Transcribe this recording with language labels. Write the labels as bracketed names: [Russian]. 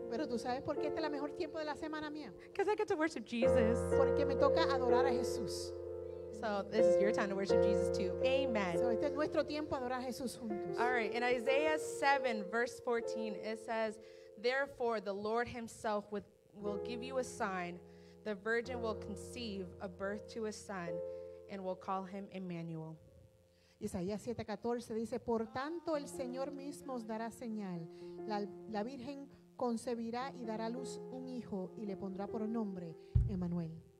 [Spanish] Pero tú sabes por qué este es el mejor tiempo de la semana mía. [English] Because I get to worship Jesus. [Spanish] Porque me toca adorar a Jesús. [English] So this is your time to worship Jesus too. Amen. [Spanish] So este es nuestro tiempo a adorar a Jesús juntos. [English] All right. In Isaiah 7, verse 14, it says, therefore, the Lord himself will give you a sign. The virgin will conceive a birth to a son and will call him Emmanuel. [Spanish] Isaías 7:14 dice, por tanto, el Señor mismo os dará señal. La Virgen concebirá y dará luz un hijo y le pondrá por nombre Emmanuel.